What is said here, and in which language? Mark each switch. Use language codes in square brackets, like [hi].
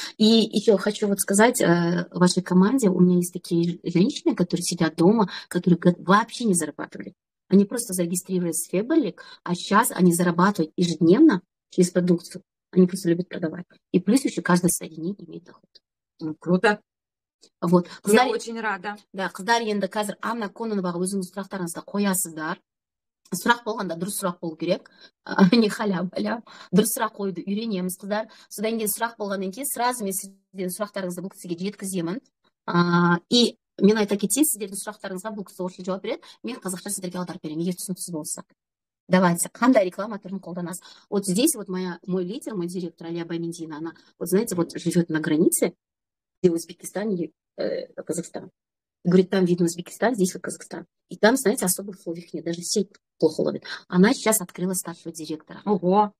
[ru] И еще хочу вот сказать вашей команде, у меня есть такие женщины, которые сидят дома, которые вообще не зарабатывали. Они просто зарегистрировались в Фэберлик, а сейчас они зарабатывают ежедневно через продукцию. Они просто любят продавать. И плюс еще каждое соединение имеет доход. Ну, круто. Вот. Я очень рада. [kk] Да, қыздар енді қазір Анна Кононова өзіңіз сұрақтарыңызды қоясыздар. Сұрақ болғанда дұрыс сұрақ болу керек. Не халя баля. Дұрыс сұрақ қойды. Үйренеміз қыздар. Содан кейін сұрақ болғаннан кейін сразу мен сіздердің сұрақтарыңызды бұл кісіге жеткіземін. И мен айта кетейін, сіздердің сұрақтарыңызға бұл кісі орысша жауап береді. Мен қазақша сіздерге аударып беремін, егер түсініксіз болса. Давайте, қандай реклама түрін қолданасыз? [ru] Вот здесь вот мой лидер, мой директор Алия Баймендина, она, вот знаете, вот живет на границе, где Узбекистан и Казахстан. Говорит, там видно Узбекистан, здесь вот Казахстан. И там, знаете, особых условий нет, даже сеть плохо ловит. Она сейчас открыла старшего директора. Ого!